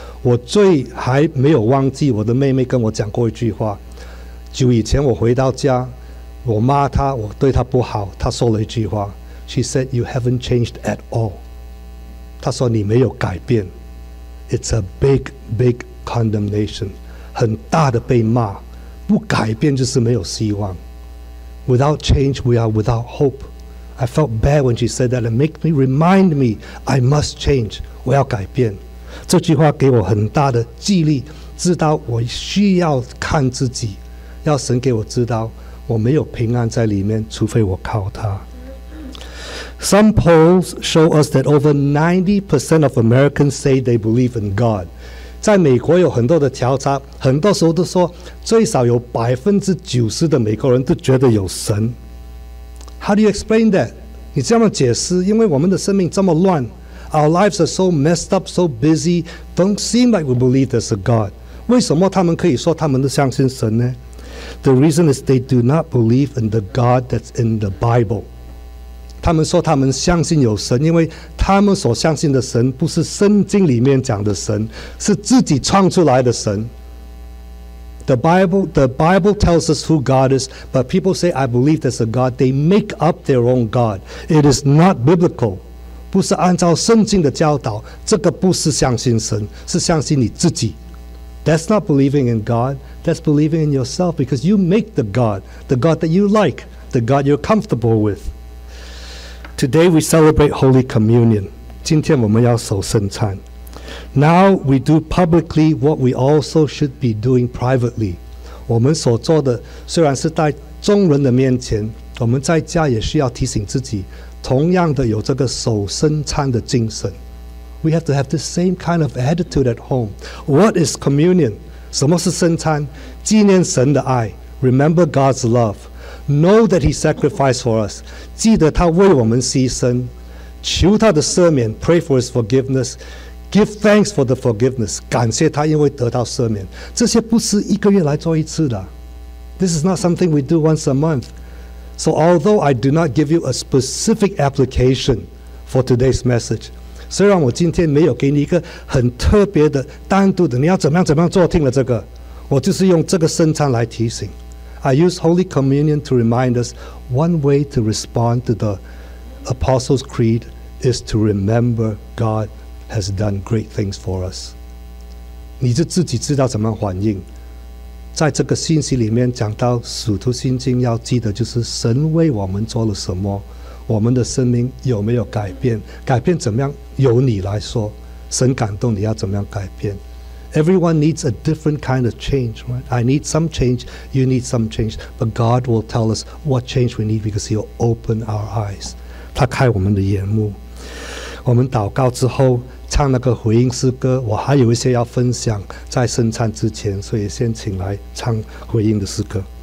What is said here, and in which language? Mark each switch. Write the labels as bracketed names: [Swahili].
[Chinese] 我最还没有忘记我的妹妹跟我讲过一句话。久以前我回到家，我骂他，我对他不好，他说了一句话。 [English] She said, "You haven't changed at all." [Chinese] 他说你没有改变。 [English] It's a big, big condemnation. [Chinese] 很大的被骂。不改变就是没有希望。 [English] Without change, we are without hope. I felt bad when she said that. It makes me remind me, I must change. [Chinese] 我要改变。这句话给我很大的激励，知道我需要看自己，要神给我知道。我没有平安在里面，除非我靠他。 [English] Some polls show us that over 90% of Americans say they believe in God. [Chinese] 在美国有很多的调查，很多时候都说最少有90%的美国人都觉得有神。 [English] How do you explain that? [Chinese] 你这么解释，因为我们的生命这么乱 [English] ，Our lives are so messed up, so busy, don't seem like we believe there's a God. [Chinese] 为什么他们可以说他们都相信神呢？ [English] The reason is they do not believe in the God that's in the Bible. [Chinese] 他们说他们相信有神，因为他们所相信的神不是圣经里面讲的神，是自己创出来的神。 [English] The Bible tells us who God is, but people say, I believe there's a God. They make up their own God. It is not biblical. [Chinese] 不是按照圣经的教导，这个不是相信神，是相信你自己。 [English] That's not believing in God, that's believing in yourself because you make the God that you like, the God you're comfortable with. Today we celebrate Holy Communion. [Chinese] 今天我们要守圣餐。 [English] Now we do publicly what we also should be doing privately. [Chinese] 我们所做的虽然是在众人的面前，我们在家也需要提醒自己，同样的有这个守圣餐的精神。 [English] We have to have the same kind of attitude at home. What is communion? [Chinese] 什么是圣餐？纪念神的爱。 [English] Remember God's love. Know that He sacrificed for us. [Chinese] 记得他为我们牺牲。求他的赦免。 [English] Pray for His forgiveness. Give thanks for the forgiveness. [Chinese] 感谢他因为得到赦免。这些不是一个月来做一次的。 [English] This is not something we do once a month. So although I do not give you a specific application for today's message, [Chinese] 虽然我今天没有给你一个很特别的单独的你要怎么样怎么样做听了这个我就是用这个圣餐来提醒 [English] I use Holy Communion to remind us one way to respond to the Apostles' Creed is to remember God has done great things for us [Chinese] 你就自己知道怎么反应在这个信息里面讲到使徒信经要记得就是神为我们做了什么我们的生命有没有改变改变怎么样由你来说神感动你要怎么样改变 [English] Everyone needs a different kind of change、right? I need some change You need some change But God will tell us what change we need Because He'll open our eyes [Chinese] 他开我们的眼目我们祷告之后唱那个回应诗歌我还有一些要分享在圣餐之前所以先请来唱回应的诗歌